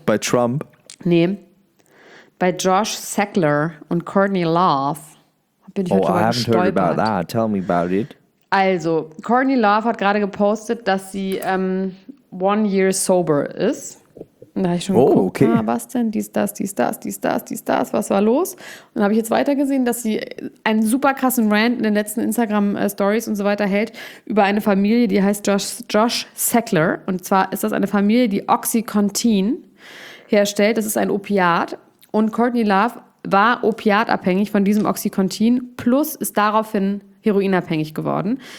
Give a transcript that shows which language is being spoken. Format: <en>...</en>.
<de>Bei Trump? Nee. Bei Josh Sackler und Courtney Love. Bin ich</de> <en>I haven't</en> <de>gestolpert.</de> <en>Heard about that. Tell me about it.</en> <de>Also, Courtney Love hat gerade gepostet, dass sie</de> <en>1 year sober</en> <de>ist. Und da habe ich schon geguckt, okay. Was denn, dies, das, was war los? Und dann habe ich jetzt weitergesehen, dass sie einen super krassen Rant in den letzten Instagram-Stories und so weiter hält über eine Familie, die heißt Josh Sackler. Und zwar ist das eine Familie, die Oxycontin herstellt. Das ist ein Opiat. Und Courtney Love war opiatabhängig von diesem Oxycontin plus ist daraufhin heroinabhängig geworden.</de>